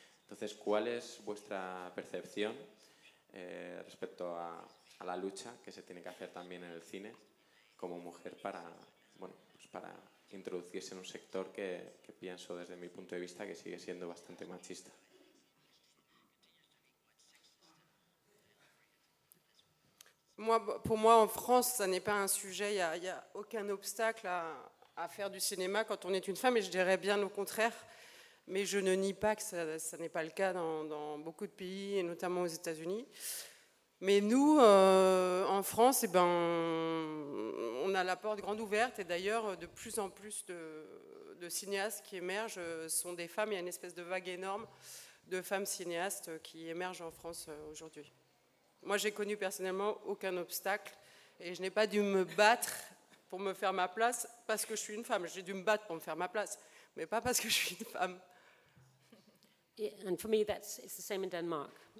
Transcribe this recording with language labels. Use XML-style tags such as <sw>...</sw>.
<es>Entonces, ¿cuál es vuestra percepción respecto a la lucha que se tiene que hacer también en el cine como mujer para, bueno, pues para introducirse en un sector que pienso desde mi punto de vista que sigue siendo bastante machista?</es> <fr>Moi, pour moi, en France, ça n'est pas un sujet. Il n'y a aucun obstacle à faire du cinéma quand on est une femme, et je dirais bien au contraire. Mais je ne nie pas que ça n'est pas le cas dans beaucoup de pays, et notamment aux États-Unis. Mais nous, en France, eh ben, on a la porte grande ouverte. Et d'ailleurs, de plus en plus de cinéastes qui émergent sont des femmes. Il y a une espèce de vague énorme de femmes cinéastes qui émergent en France aujourd'hui. Moi, j'ai connu personnellement aucun obstacle et je n'ai pas dû me battre pour me faire ma place parce que je suis une femme. J'ai dû me battre pour me faire ma place, mais pas parce que je suis une femme.</fr> <en>Yeah, and for me, it's the same in Denmark.</en>